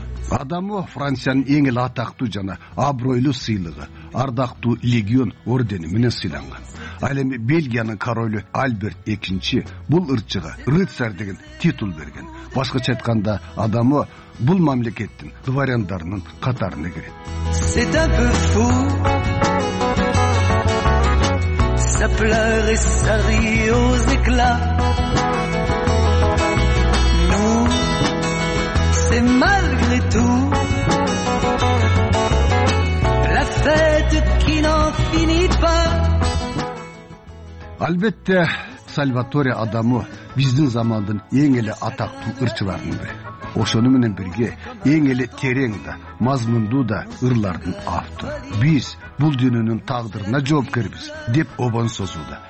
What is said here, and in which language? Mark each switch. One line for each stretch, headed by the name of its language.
Kyrgyz: Адамо Франциянын эң эле атактуу жана абройлуу сыйлыгы ардактуу легион ордени менен сыйланган. Ал эми Бельгиянын королу Альберт 2 бул ырчыга рыцар деген титул берген. Башкача айтканда Адамо бул мамлекеттин дворяндарынын катарына кирет.
French: C'est un peu fou. Ça pleure et ça rit aux éclats. Nous, c'est malgré tout. La fête qui n'en finit pas.
Kyrgyz: Албетте, Сальваторе Адамо биздин замандын эң эле атактуу ырчыларынын бири. Ошону менен бирге эң эле терең да, мазмундуу да ырлардын автору. Биз бул дүйнөнүн тагдырына жоопкербиз деп обон созууда.